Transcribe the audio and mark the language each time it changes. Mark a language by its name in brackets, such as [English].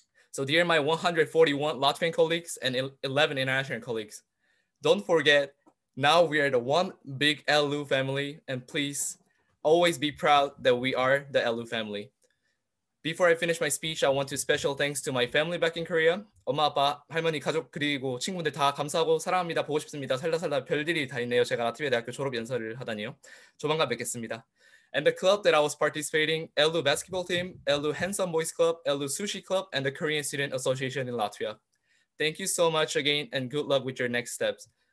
[English] So dear my 141 Latvian colleagues and 11 international colleagues, don't forget, now we are the one big LU family, and please always be proud that we are the LU family. Before I finish my speech, I want to special thanks to my family back in Korea. [Korean] 엄마, 아빠, 할머니, 가족, 그리고 친구들 다 감사하고 사랑합니다. 보고 싶습니다. 살다 별일이 다 있네요. 제가 라트비아 대학교 졸업 연설을 하다니요. 조만간 뵙겠습니다. [English] And the club that I was participating, LU Basketball Team, LU Handsome Boys Club, LU Sushi Club, and the Korean Student Association in Latvia. Thank you so much again, and good luck with your next steps.